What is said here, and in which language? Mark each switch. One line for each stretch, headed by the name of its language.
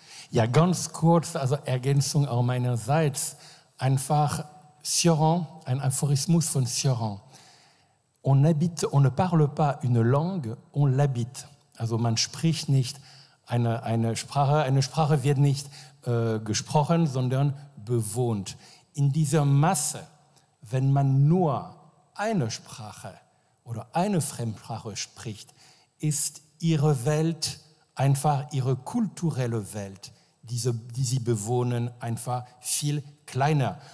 German: Ja, ganz kurz, also Ergänzung auch meinerseits. Einfach Sioran, ein Aphorismus von Sioran.
French: On ne parle pas une langue, on l'habite.
German: Also man spricht nicht eine Sprache, eine Sprache wird nicht gesprochen, sondern bewohnt. In dieser Masse, wenn man nur eine Sprache oder eine Fremdsprache spricht, ist ihre Welt einfach, ihre kulturelle Welt, die sie bewohnen, einfach viel kleiner.